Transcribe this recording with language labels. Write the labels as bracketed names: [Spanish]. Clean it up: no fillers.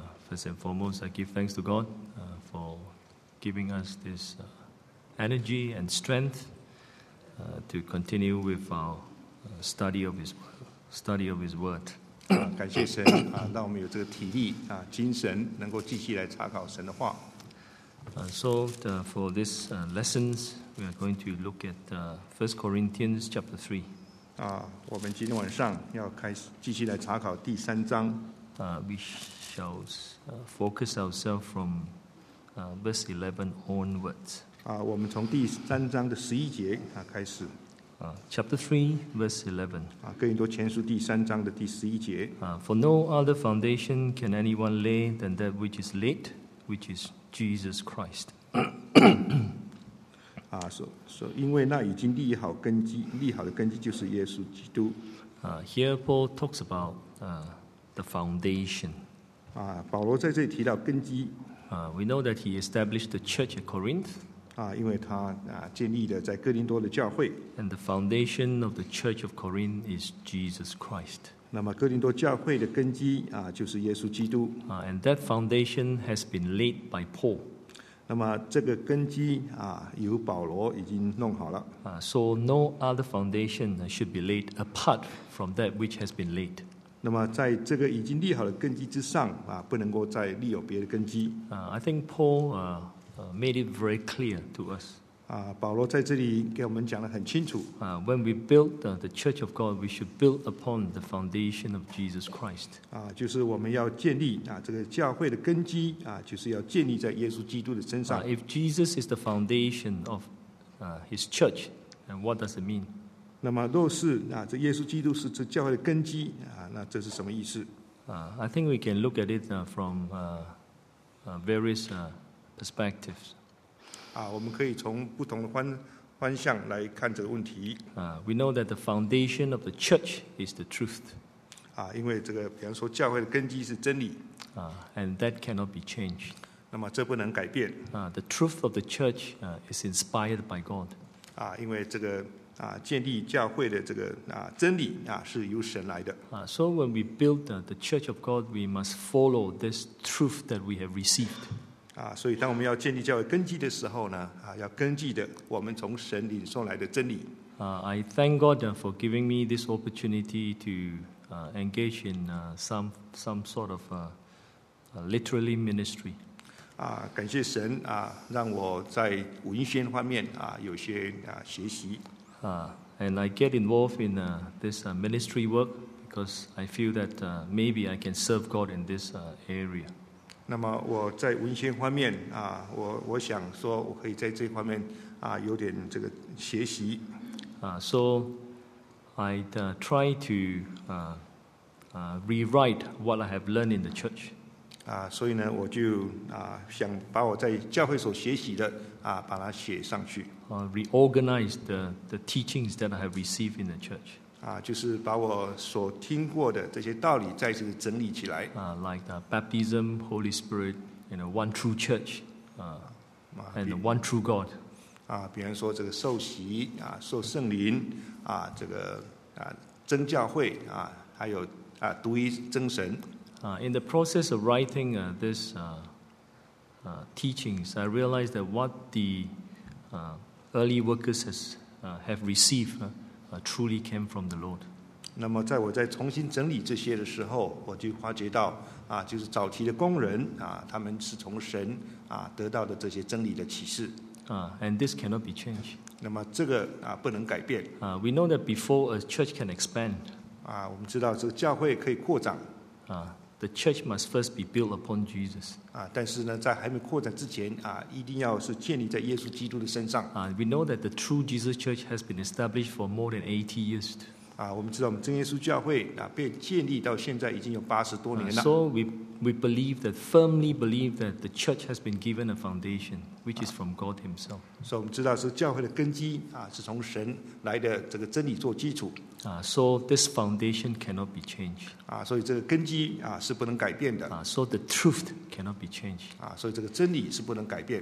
[English] First and foremost, I give thanks to God for giving us this energy and strength to continue with our study of His Word. [Chinese] 感谢神让我们有这个体力精神能够继续来查考神的话。 [English] So for this lessons, we are going to look at 1 Corinthians chapter 3. [Chinese] 我们今天晚上要开始继续来查考第三章。 [English] We shall focus ourselves from verse 11 onwards. [Chinese] 我们从第三章的十一节开始。 [English] Chapter 3, verse 11. [Chinese] 哥林多前书第三章的第十一节。 [English] For no other foundation can anyone lay than that which is laid, which is Jesus Christ. [Chinese] 所以因为那已经立好根基，立好的根基就是耶稣基督。 [English] Here Paul talks about the foundation. [Chinese] 保罗在这里提到根基。 [English] We know that he established the church at Corinth. [Chinese] 因为他建立了在哥林多的教会。 [English] And the foundation of the church of Corinth is Jesus Christ. [Chinese] 那么哥林多教会的根基就是耶稣基督。 [English] And that foundation has been laid by Paul. [Chinese] 那么这个根基由保罗已经弄好了。 [English] So no other foundation should be laid apart from that which has been laid. [Chinese] 那么在这个已经立好的根基之上不能够再立有别的根基。 [English] I think Paul made it very clear to us. [Chinese] 保罗在这里给我们讲得很清楚。 [English] When we build the church of God, we should build upon the foundation of Jesus Christ. [Chinese] 就是我们要建立这个教会的根基就是要建立在耶稣基督的身上。 [English] If Jesus is the foundation of his church, and what does it mean? [Chinese] 那么若是这耶稣基督是这教会的根基那这是什么意思？ [English] I think we can look at it from various perspectives. [Chinese] 我们可以从不同的方向来看这个问题。 [English] We know that the foundation of the church is the truth. [Chinese] 因为这个，比方说教会的根基是真理。 [English] And that cannot be changed. [Chinese] 那么这不能改变。 [English] The truth of the church is inspired by God. [Chinese] 因为这个建立教会的这个真理是由神来的。 [English] So when we build the church of God, we must follow this truth that we have received. [Chinese] 所以当我们要建立教会根基的时候呢要根据的我们从神领受来的真理。 [English] I thank God for giving me this opportunity to engage in some sort of literary ministry. [Chinese] 感谢神让我在文宣方面有些学习。 [English] And I get involved in this ministry work because I feel that maybe I can serve God in this area. [Chinese] 那么我在文献方面我想说我可以在这方面有点这个学习。 [English] So I'd try to rewrite what I have learned in the church. [Chinese] 所以呢我就想把我在教会所学习的把它写上去。 [English] Reorganize the teachings that I have received in the church. [Chinese] 就是把我所听过的这些道理再次整理起来。 [English] Like the baptism, Holy Spirit, and the one true church, and the one true God. [Chinese] 比方说这个受洗受圣灵这个真教会还有独一真神。 [English] In the process of writing this teachings, I realized that what the early workers have received. Truly came from the Lord. [Chinese] 那么在我在重新整理这些的时候我就发觉到就是早期的工人他们是从神得到的这些真理的启示。 [English] And this cannot be changed. [Chinese] 那么这个不能改变。 [English] We know that before a church can expand, [Chinese] 我们知道这个教会可以扩展。 [English] The church must first be built upon Jesus. [Chinese] 但是呢在还没扩展之前一定要是建立在耶稣基督的身上。 [English] We know that the true Jesus church has been established for more than 80 years. [Chinese] 我们知道我们真耶稣教会被建立到现在已经有80多年了。 [English] So we believe that, firmly believe that the church has been given a foundation, which is from God himself. [Chinese] 所以我们知道是教会的根基是从神来的这个真理做基础。 [English] So this foundation cannot be changed. [Chinese] 所以这个根基是不能改变的。 [English] So the truth cannot be changed. [Chinese] 所以这个真理是不能改变。